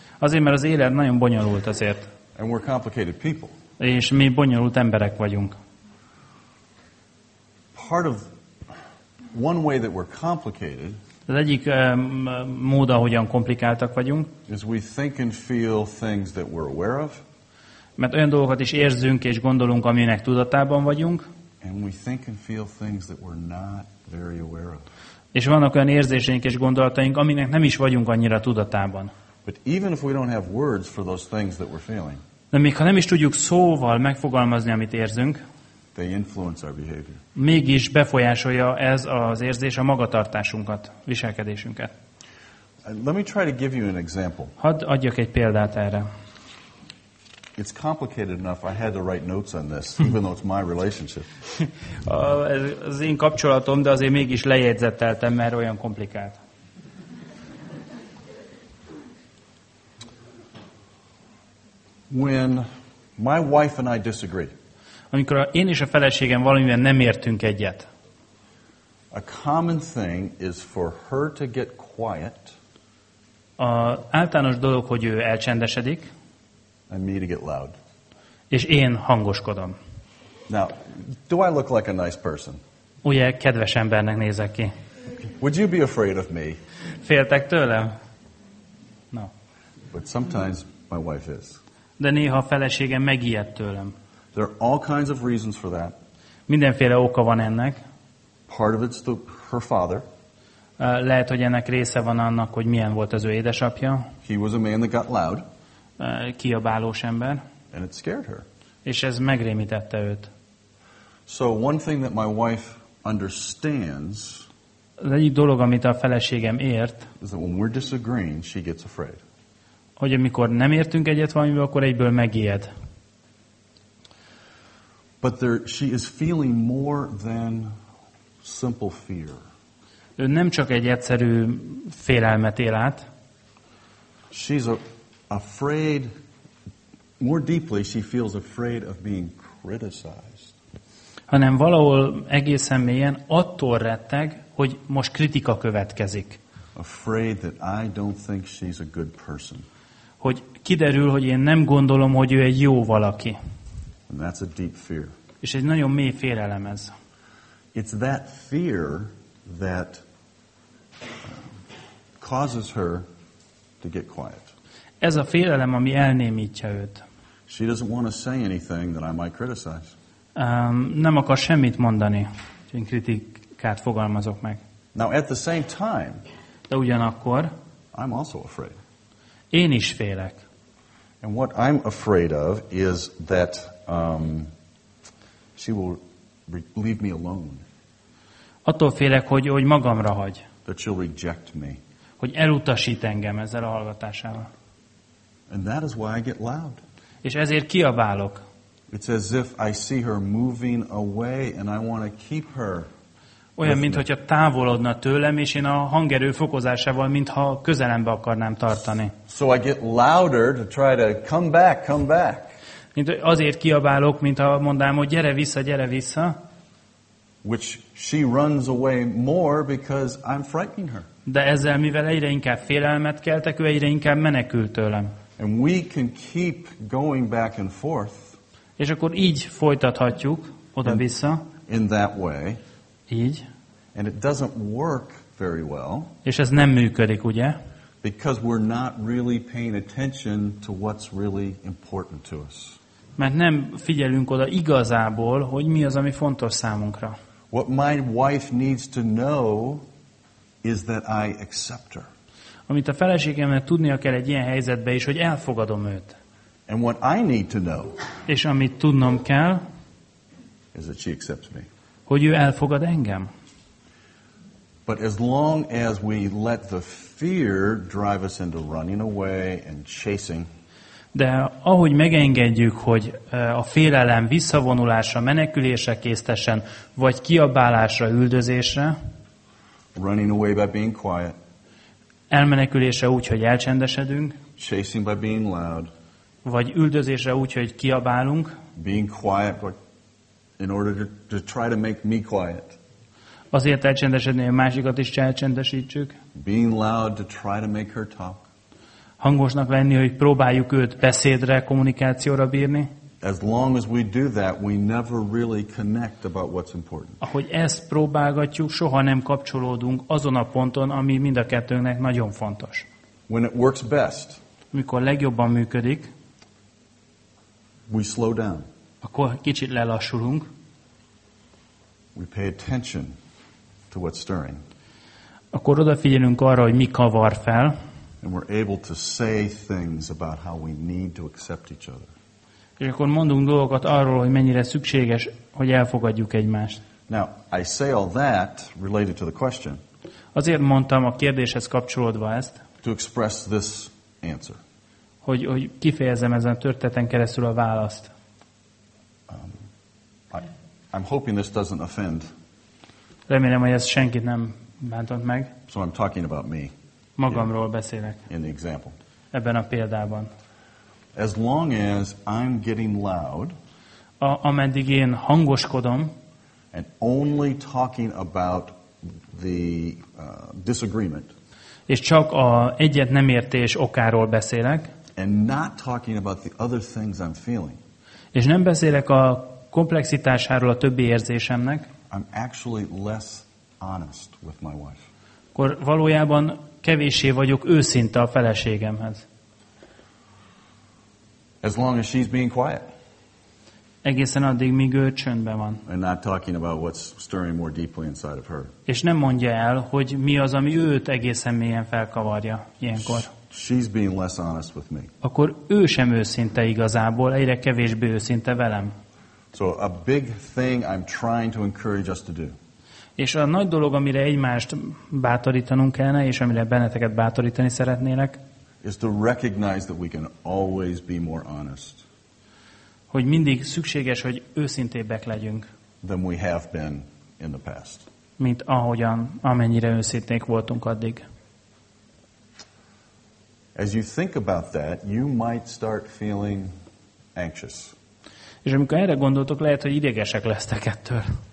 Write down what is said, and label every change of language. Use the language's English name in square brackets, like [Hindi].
[Hungarian] Azért, mert az élet nagyon bonyolult azért. [English] And we're complicated people. [Hungarian] És mi bonyolult emberek vagyunk. [English] Part of one way that we're complicated. [Hungarian] Az egyik mód, ahogyan komplikáltak vagyunk. [English] Is we think and feel things that we're aware of. [Hungarian] Mert olyan dolgokat is érzünk és gondolunk, aminek tudatában vagyunk. [English] And we think and feel things that we're not very aware of. [Hungarian] És vannak olyan érzéseink és gondolataink, aminek nem is vagyunk annyira tudatában. [English] But even if we don't have words for those things that we're feeling. [Hungarian] De még ha nem is tudjuk szóval megfogalmazni, amit érzünk. [English] They influence our behavior. [Hungarian] Mégis befolyásolja ez az érzés a magatartásunkat, viselkedésünket. [English] Let me try to give you an example. [Hungarian] Hadd adjak egy példát erre. [English] It's complicated enough. I had to write notes on this, even though it's my relationship. [Hungarian] Az én kapcsolatom, de azért mégis lejegyzetteltem, mert olyan komplikált. [English] When my wife and I disagree. [Hungarian] Amikor én és a feleségem valamivel nem értünk egyet. [English] A common thing is for her to get quiet. [Hungarian] A általános dolog, hogy ő elcsendesedik. [English] And me to get loud. [Hungarian] És én hangoskodom. [English] Now, do I look like a nice person? [Hungarian] Ugye kedves embernek nézek ki. [English] Would you be afraid of me? [Hungarian] Féltek tőlem? [English] No. But sometimes my wife is. [Hungarian] De néha a feleségem megijed tőlem. [English] There are all kinds of reasons for that. [Hungarian] Mindenféle oka van ennek. [English] Part of it's her father. [Hungarian] Lehet, hogy ennek része van annak, hogy milyen volt az ő édesapja. [English] He was a man that got loud. [Hungarian] Kiabálós ember. [English] And it scared her. [Hungarian] És ez megrémítette őt. [English] So one thing that my wife understands. [Hungarian] Az egyik dolog, amit a feleségem ért. [English] Is that when we're disagreeing, she gets afraid. [Hungarian] Hogy amikor nem értünk egyet valamivel, akkor egyből megijed. [English] But there, she is feeling more than simple fear. [Hungarian] Ő nem csak egy egyszerű félelmet él át. [English] She's afraid, more deeply she feels afraid of being criticized. [Hungarian] Hanem valahol egészen mélyen attól retteg, hogy most kritika következik. [English] Afraid that I don't think she's a good person. [Hungarian] Hogy kiderül, hogy én nem gondolom, hogy ő egy jó valaki. [English] And that's a deep fear. [Hungarian] És egy nagyon mély félelem ez. [English] It's that fear that causes her to get quiet. [Hungarian] Ez a félelem, ami elnémítja őt. [English] She doesn't want to say anything that I might criticize. [Hungarian] Nem akar semmit mondani, hogy én kritikát fogalmazok meg. [English] Now at the same time, [Hungarian] de ugyanakkor, [English] I'm also afraid. [Hungarian] Én is félek. [English] And what I'm afraid of is that she will leave me alone. [Hungarian] Attól félek, hogy magamra hagy. [English] That she'll reject me. [Hungarian] Hogy elutasít engem ezzel a hallgatásával. [English] And that is why I get loud. [Hungarian] És ezért kiabálok. [English] It's as if I see her moving away and I want to keep her. [Hungarian] Olyan, mintha távolodna tőlem, és én a hangerő fokozásával, mintha közelembe akarnám tartani. [English] So I get louder to try to come back, come back. [Hungarian] Mint azért kiabálok, mintha mondám, hogy gyere vissza, gyere vissza. [English] Which she runs away more because I'm frightening her. [Hungarian] De ezzel, mivel egyre inkább félelmet keltek, ő egyre inkább menekül tőlem. [English] And we can keep going back and forth. [Hungarian] És akkor így folytathatjuk oda vissza. [English] In that way. [Hungarian] Így. [English] And it doesn't work very well. [Hungarian] És ez nem működik, ugye? [English] Because we're not really paying attention to what's really important to us. [Hungarian] Mert nem figyelünk oda igazából, hogy mi az, ami fontos számunkra. [English] What my wife needs to know is that I accept her. [Hungarian] Amit a feleségemnek tudnia kell egy ilyen helyzetben is, hogy elfogadom őt. [English] And what I need to know, [Hungarian] és amit tudnom kell, [English] is that she accepts me. [Hungarian] Hogy ő elfogad engem. [English] But as long as we let the fear drive us into running away and chasing. [Hungarian] De ahogy megengedjük, hogy a félelem visszavonulásra, menekülésre késztessen, vagy kiabálásra, üldözésre, [English] running away by being quiet. [Hungarian] Elmenekülésre úgy, hogy elcsendesedünk, [English] chasing by being loud. [Hungarian] Vagy üldözésre úgy, hogy kiabálunk, [English] being quiet in order to try to make me quiet. [Hungarian] Azért elcsendesedni, hogy a másikat is elcsendesítsük. [English] Being loud to try to make her talk. [Hungarian] Hangosnak lenni, hogy próbáljuk őt beszédre, kommunikációra bírni. [English] As long as we do that, we never really connect about what's important. [Hungarian] Ahogy ezt próbálgatjuk, soha nem kapcsolódunk azon a ponton, ami mind a kettőnknek nagyon fontos. [English] When it works best, [Hungarian] mikor legjobban működik, [English] we slow down. [Hungarian] Akkor kicsit lelassulunk. [English] We pay attention to what's stirring. [Hungarian] Akkor odafigyelünk arra, hogy mi kavar fel. [English] And we're able to say things about how we need to accept each other. [Hungarian] És akkor mondunk dolgokat arról, hogy mennyire szükséges, hogy elfogadjuk egymást. [English] Now, I say all that related to the question. [Hungarian] Azért mondtam a kérdéshez kapcsolódva ezt. [English] To express this answer. [Hungarian] Hogy kifejezem ezen a történeten keresztül a választ. [English] I'm hoping this doesn't offend. [Hungarian] Remélem, hogy ez senkit nem bántott meg. [English] So I'm talking about me. [Hungarian] Magamról beszélek. [English] In the example. [Hungarian] Ebben a példában. [English] As long as I'm getting loud. [Hungarian] Ameddig én hangoskodom. [English] And only talking about the disagreement. [Hungarian] És csak a egyet nem értés okáról beszélek. [English] And not talking about the other things I'm feeling. [Hungarian] És nem beszélek a komplexitásáról a többi érzésemnek. [English] I'm actually less honest with my wife. [Hungarian] Akkor valójában kevéssé vagyok őszinte a feleségemhez. [English] As long as she's being quiet. [Hungarian] Egészen addig, míg ő csöndben van. [English] And not talking about what's stirring more deeply inside of her. [Hungarian] És nem mondja el, hogy mi az, ami őt egészen mélyen felkavarja ilyenkor. [English] She's being less honest with me. [Hungarian] Akkor ő sem őszinte igazából, egyre kevésbé őszinte velem. [English] So a big thing I'm trying to encourage us to do. [Hungarian] És a nagy dolog, amire egymást bátorítanunk kellene, és amire benneteket bátorítani szeretnének, [English] is to recognize that we can always be more honest. [Hungarian] Hogy mindig szükséges, hogy őszintébbek legyünk. [English] Than we have been in the past. [Hungarian] Mint ahogyan, amennyire őszinték voltunk addig. [English] As you think about that, you might start feeling anxious. [Hungarian] És amikor erre gondoltok, lehet, hogy idegesek lesztek ettől.